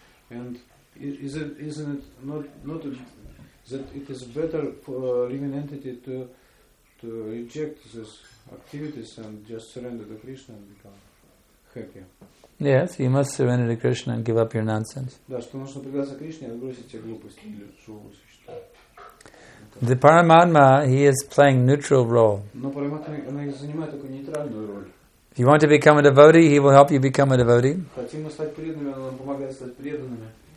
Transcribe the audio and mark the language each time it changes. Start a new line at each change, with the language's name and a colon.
English: and isn't it it is better for living entity to. To reject these activities and just surrender to Krishna and become happy. Yes, you must surrender to Krishna and give up your nonsense.
Russian: Да, что нужно предаться Кришне и отбросить все глупости для живого существа.
English: The Paramatma, he is playing neutral role.
Russian: Но Параматма, она занимает такую нейтральную роль.
English: If you want to become a devotee, he will help you become a devotee.
Russian: Хотим стать преданными, он помогает стать преданными.